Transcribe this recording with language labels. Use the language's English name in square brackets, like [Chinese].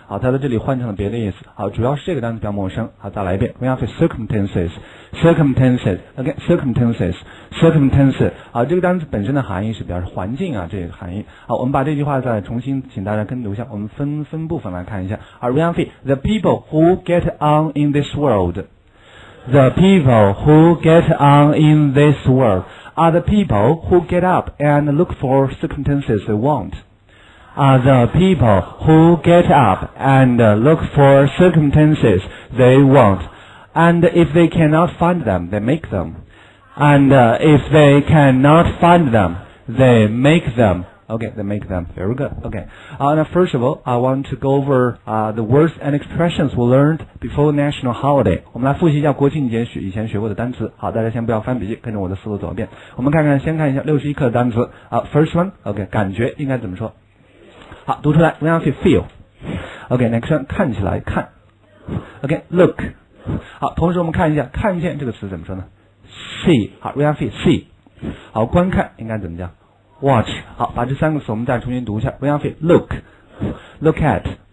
[Chinese] 好，它在这里换成了别的意思。好，主要是这个单词比较陌生。 [English] 好，再来一遍。Hurry up, circumstances. Circumstances, again, circumstances, circumstances. [Chinese] 好，这个单词本身的含义是表示环境啊，这个含义。好，我们把这句话再重新请大家跟读一下，我们分部分来看一下。 [English] Are we happy? The people who get on in this world, the people who get on in this world are the people who get up and look for circumstances they want. Are the people who get up and look for circumstances they want. And if they cannot find them, they make them. And if they cannot find them, they make them. Okay, they make them. Very good. Okay. Now, first of all, I want to go over the words and expressions we learned before national holiday. [Chinese] 我们来复习一下国庆节以前学过的单词。好，大家先不要翻笔记，跟着我的思路走一遍。我们先看一下61课的单词。 [English] First one, okay, [Chinese] 感觉应该怎么说？好，读出来。 [English] We have to feel. Okay, next one, [Chinese] 看起来，看。 [English] Okay, look. [Chinese] 好，同时我们看一下看见这个词怎么说呢 see 好 [English] we have to see [Chinese] 好观看应该怎么讲 watch 好把这三个词我们再重新读一下 [English] we have to look look at